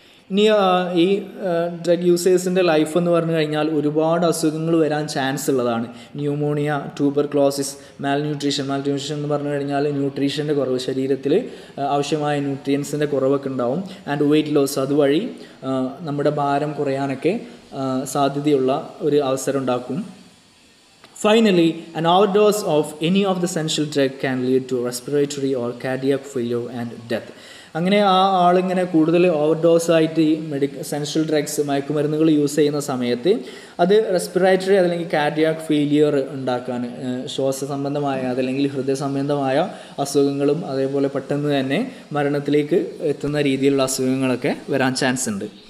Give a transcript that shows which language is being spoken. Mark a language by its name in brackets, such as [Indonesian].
[Malayalam] ഇനി ഈ drug യൂസേഴ്സിൻ്റെ life എന്ന് പറഞ്ഞു കഴിഞ്ഞാൽ ഒരുപാട് അസുഖങ്ങൾ വരാൻ ചാൻസ് ഉള്ളതാണ്. ന്യൂമോണിയ, ട്യൂബർക്ലോസിസ്, മാൽന്യൂട്രീഷൻ എന്ന് പറഞ്ഞു കഴിഞ്ഞാൽ ന്യൂട്രീഷൻ്റെ കുറവ്, ശരീരത്തിൽ ആവശ്യമായ ന്യൂട്രിയൻസിൻ്റെ കുറവൊക്കെ ഉണ്ടാവും. ആൻഡ് വെയ്റ്റ് ലോസ്, അതുവഴി നമ്മുടെ ഭാരം കുറയാനൊക്കെ സാധ്യതയുള്ള ഒരു അവസരം ഉണ്ടാക്കും. [English] Finally, an overdose of any of the essential drug can lead to respiratory or cardiac failure and death. [Malayalam] അങ്ങനെ ആ ആളിങ്ങനെ കൂടുതൽ ഓവർഡോസായിട്ട് ഈ എസൻഷ്യൽ ഡ്രഗ്സ്, മയക്കുമരുന്നുകൾ യൂസ് ചെയ്യുന്ന സമയത്ത് അത് റെസ്പിറേറ്ററി അല്ലെങ്കിൽ കാർഡിയാക് ഫെയിലിയർ ഉണ്ടാക്കാൻ, ശ്വാസ സംബന്ധമായ അതല്ലെങ്കിൽ ഹൃദയ സംബന്ധമായ അസുഖങ്ങളും അതേപോലെ പെട്ടെന്ന് തന്നെ മരണത്തിലേക്ക് എത്തുന്ന രീതിയിലുള്ള അസുഖങ്ങളൊക്കെ വരാൻ ചാൻസ് ഉണ്ട്.